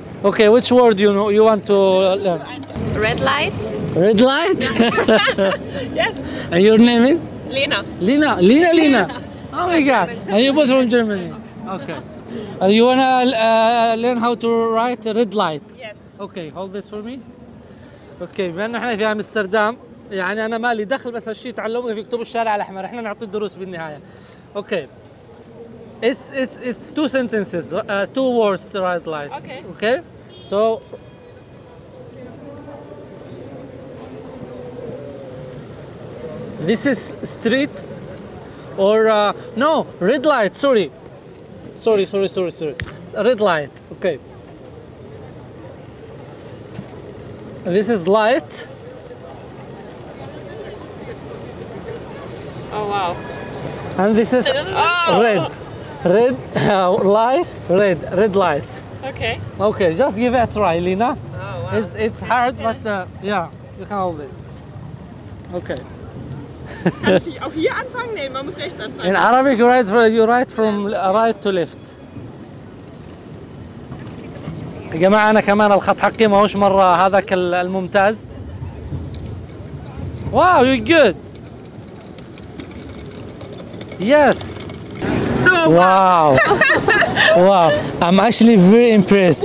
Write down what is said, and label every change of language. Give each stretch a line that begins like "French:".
English: Okay. Which word you know? You want to learn? Red light. Red light? Yes. And your name is? Lena. Lena. Lena. Oh my God. And you're both from Germany. Okay. And you want to learn how to write red light? Yes. Okay. Hold this for me. Okay.
Arabic: بما انه احنا في امستردام يعني انا مالي دخل بس هالشيء تعلمه في كتب الشارع الاحمر احنا نعطي الدروس بالنهايه.
English: Okay. It's two sentences, two words to write light. Okay. Okay. So. This is street or no, red light, sorry. Sorry. It's a red light, okay. This is light. Oh, wow. And this is red. Red, light, red, red light. Okay. Okay, just give it a try, Lena. Oh, wow. It's hard, okay. But yeah, you can hold it. Okay.
German: Kann ich auch hier anfangen? Nee, man muss rechts anfangen.
English: In Arabic, you write from right to left.
Arabic: يا جماعة أنا كمان الخط حقي ما هوش مرة هذاك الممتاز.
English: Wow, you're good. Yes. Wow. Wow. I'm actually very impressed.